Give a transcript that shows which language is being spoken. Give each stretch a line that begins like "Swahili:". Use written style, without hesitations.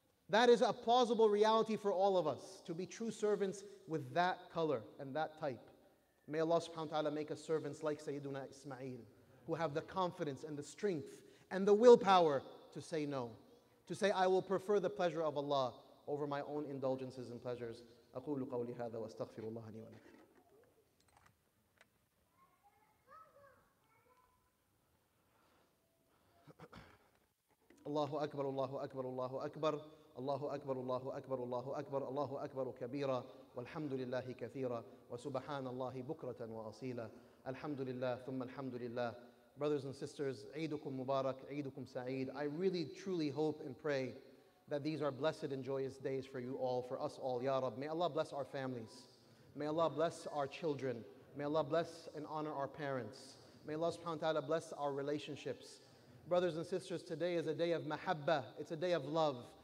English: That is a plausible reality for all of us, to be true servants with that color and that type. May Allah subhanahu wa ta'ala make us servants like Sayyiduna Ismail, who have the confidence and the strength and the willpower to say no. To say, I will prefer the pleasure of Allah over my own indulgences and pleasures.
Arabic: أقول قولي هذا وأستغفر الله لي ولك. الله أكبر الله أكبر الله أكبر الله أكبر الله أكبر الله أكبر الله أكبر كبيرا والحمد لله كثيرا وسبحان الله بكرة وأصيلا الحمد لله ثم الحمد لله
English: brothers and sisters, Eidukum Mubarak, Eidukum Sa'id. I really, truly hope and pray that these are blessed and joyous days for you all, for us all, Ya Rab. May Allah bless our families. May Allah bless our children. May Allah bless and honor our parents. May Allah subhanahu wa ta'ala bless our relationships. Brothers and sisters, today is a day of mahabba. It's a day of love.